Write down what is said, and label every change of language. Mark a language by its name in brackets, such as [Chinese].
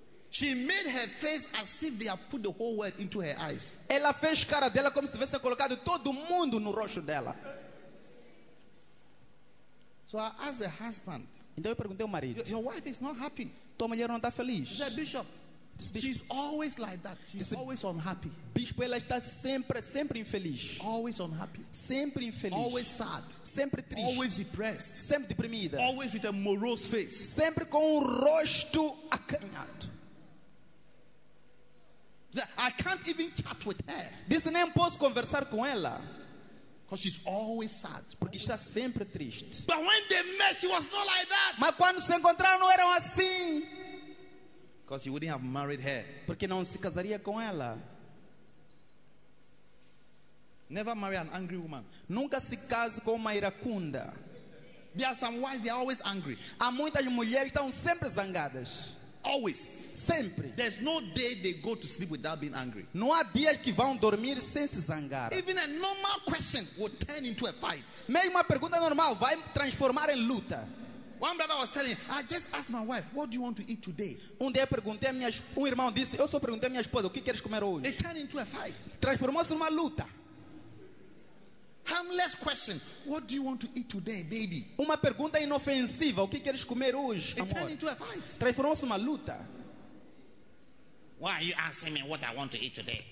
[English] She made her face as if they had put the whole world into her eyes. [Portuguese] Ela fez cara dela como se tivesse colocado todo mundo no rosto dela. [English] So I asked the husband. [Portuguese] Então eu perguntei ao marido. [English] Your wife is not happy. [Portuguese] Tua mulher não está feliz. [English] The bishop. She's always like that. She's always unhappy. [Portuguese] Bispo, ela está sempre infeliz. [English] Always unhappy. [Portuguese] Sempre infeliz. [English] Always sad. [Portuguese] Sempre triste. [English] Always depressed. [Portuguese] Sempre deprimida. [English] Always with a morose face. [Portuguese] Sempre com rosto acanhado. [English] I can't even chat with her. [Portuguese] Diz, nem posso conversar com ela. [English] Because she's always sad. [Portuguese] Porque está sempre triste. [English] But when they met, she was not like that. [Portuguese] Mas quando se encontraram, não eram assim. [English] Because you wouldn't have married her. [Portuguese] Porque não se casaria com ela. [English] Never marry an angry woman. [Portuguese] Nunca se case com uma iracunda. [English] There are some wives, they are always angry. [Portuguese] Há muitas mulheres que estão sempre zangadas. [English] Always. [Portuguese] Sempre. [English] There's no day they go to sleep without being angry. [Portuguese] Não há dias que vão dormir sem se zangar. [English] Even a normal question will turn into a fight. [Portuguese] Mesmo uma pergunta normal vai transformar em luta. [English] One brother was telling me, I just asked my wife, what do you want to eat today? [Portuguese] Um irmão disse, eu só perguntei à minha esposa, o que queres comer hoje? [English] It turned into a fight. [Portuguese] Transformou-se numa luta. [English] Harmless question, what do you want to eat today, baby? [Portuguese] Uma pergunta inofensiva, o que queres comer hoje, amor? [English] It turned into a fight. [Portuguese] Transformou-se numa luta. [English] Why are you asking me what I want to eat today?